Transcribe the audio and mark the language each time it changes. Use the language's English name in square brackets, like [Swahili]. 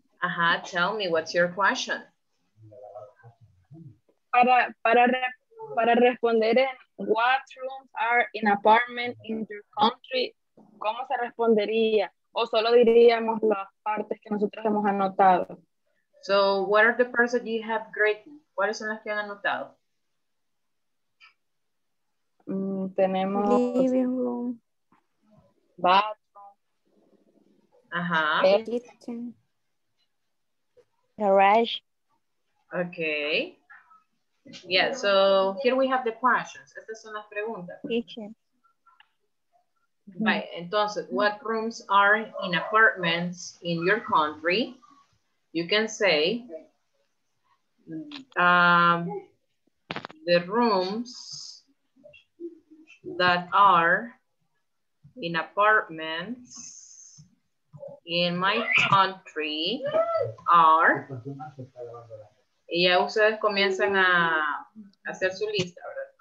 [Spanish] Ajá, [English] tell me, what's your question? [Spanish] Para responder en [English] what rooms are in apartment in your country, [Spanish] ¿cómo se respondería? ¿O solo diríamos las partes que nosotros hemos anotado? [English] So, what are the parts that you have written? [Spanish] ¿Cuáles son las que han anotado? Tenemos [English] living room, bathroom, ajá, kitchen, garage. Okay. Yeah, so here we have the questions. [Spanish] Estas son las preguntas. [English] Kitchen. Right. [Spanish] Entonces, [English] what rooms are in apartments in your country? You can say the rooms that are in apartments in my country are. [Spanish] Y ya ustedes comienzan a hacer su lista, ¿verdad?